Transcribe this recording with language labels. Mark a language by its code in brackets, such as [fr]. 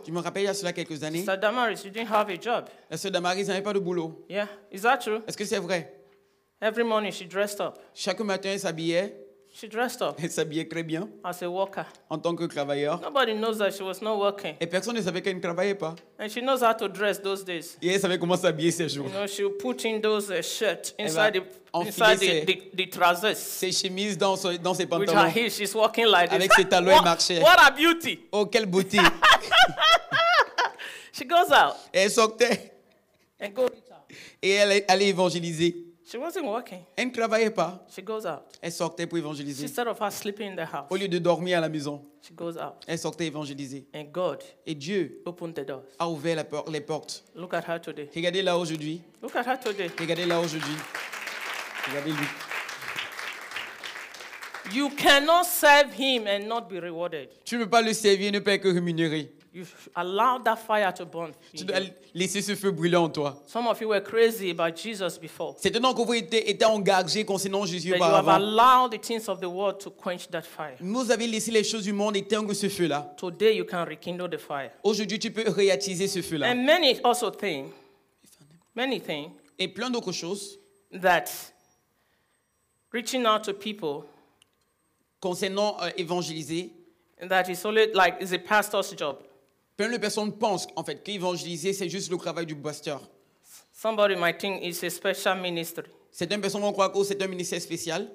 [fr] Je me rappelle il y a cela quelques années. [en] Sir Damaris, you didn't have a job. [fr] La sœur Damaris n'avait pas de boulot. [en] Yeah, is that true? [fr] Est-ce que c'est vrai? [en] Every morning she dressed up. [fr] Chaque matin elle s'habillait. [en] She dressed up. [fr] Elle s'habillait très bien. [en] As a worker. [fr] En tant que travailleur. [en] Nobody knows that she was not working. [fr] Et personne ne savait qu'elle ne travaillait pas. [en] And she knows how to dress those days. [fr] Et elle savait comment s'habiller ces jours. [en] You know, she would put in those shirts inside the trousers. [fr] Ses chemises dans ses pantalons. [en] With her heels, she's walking like this. [fr] Avec ses talons, elle marchait. [en] What a beauty! [fr] Oh, quelle beauté! [en] She goes out. [fr] Elle sortait. [en] And go to town. [fr] Et elle allait évangéliser. [en] She wasn't working. [fr] Elle ne travaillait pas. [en] She goes out. [fr] Elle sortait pour évangéliser. [en] Instead of her sleeping in the house. [fr] Au lieu de dormir à la maison. [en] She goes out. [fr] Elle sortait évangéliser. [en] And God. [fr] Et Dieu. [en] Opened the doors. [fr] A ouvert les portes. [en] Look at her today. [fr] Regardez-la aujourd'hui. [en] Look at her today. [fr] Regardez-la aujourd'hui. Regardez-lui. [en] You cannot serve Him and not be rewarded. [fr] Tu ne peux pas le servir et ne pas être rémunéré. [en] You allow that fire to burn. [fr] Tu dois laisser ce feu brûler en toi. [en] Some of you were crazy about Jesus before. [fr] Certains d'entre vous étaient engagés concernant Jésus auparavant. [en] You have allowed the things of the world to quench that fire. [fr] Vous avez laissé les choses du monde éteindre ce feu-là. [en] Today you can rekindle the fire. [fr] Aujourd'hui tu peux réattiser ce feu-là. [en] And many things. [fr] Et plein d'autres choses. [en] That reaching out to people. [fr] Concernant évangéliser. [en] That is only like is a pastor's job. [fr] Plein de personnes pensent en fait qu'évangéliser c'est juste le travail du pasteur. [en] Somebody might think it's a special ministry. [fr] Certaines personnes vont croire que c'est un ministère spécial.